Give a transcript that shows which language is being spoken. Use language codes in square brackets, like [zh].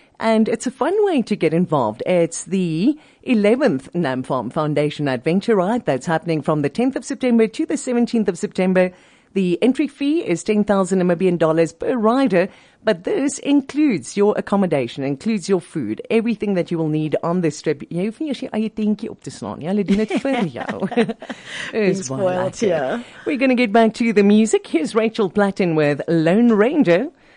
[en] And it's a fun way to get involved. It's the 11th Nam Farm Foundation Adventure Ride that's happening from the 10th of September to the 17th of September. The entry fee is $10,000 per rider, but this includes your accommodation, includes your food, everything that you will need on this trip. [af] You hoef nie as jy eie tentjie op te slaan nie. Hulle doen dit vir jou. [en] It's wild, yeah. We're going to get back to the music. Here's Rachel Platten with Lone Ranger.